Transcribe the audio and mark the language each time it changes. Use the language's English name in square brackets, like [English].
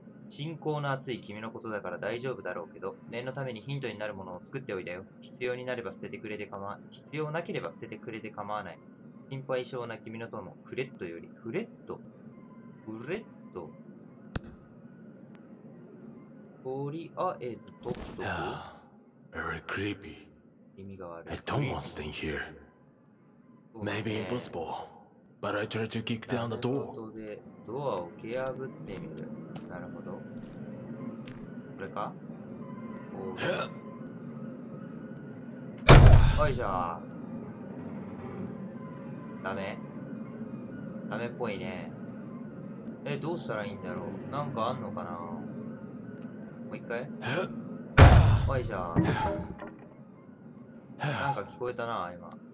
[Japanese] 信仰の厚い君のことだから大丈夫だろうけど念のためにヒントになるものを作っておいたよ必要になれば捨ててくれて構わない必要なければ捨ててくれて構わない心配性な君の友フレットよりフレットフレットとりあえずとっと [English] く very creepy [Japanese] 意味が悪い [English] I don't want staying here Maybe impossible But I tried to kick down the door [Japanese] なるほどでドアを蹴破ってみるなるほどこれかおーはっよいしょダメダメっぽいねえ、どうしたらいいんだろうなんかあんのかなもう一回おいじゃなんか聞こえたな今